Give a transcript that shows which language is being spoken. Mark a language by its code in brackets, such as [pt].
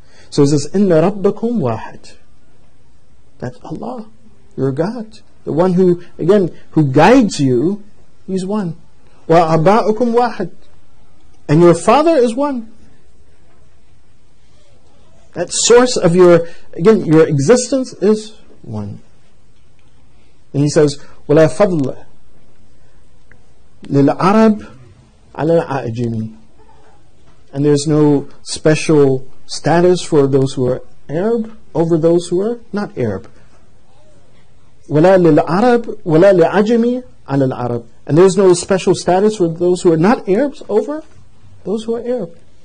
[en] So it says, [ar] إِنَّ رَبَّكُمْ وَاحِدْ. [en] That's Allah, your God. The one who, again, who guides you, He's one. [ar] وَأَبَاءُكُمْ وَاحِدْ. [en] And your father is one. That source of your, again, your existence is one. And he says, [ar] وَلَا فَضْلَ لِلْعَرَبْ عَلَى الْعَأْجِمِ. [en] And there's no special status for those who are Arab over those who are not Arab. [ar] وَلَا لِلْعَرَبْ وَلَا لِعَجِمِ عَلَى الْعَرَبْ. [en] And there's no special status for those who are not Arabs over those who are Arab.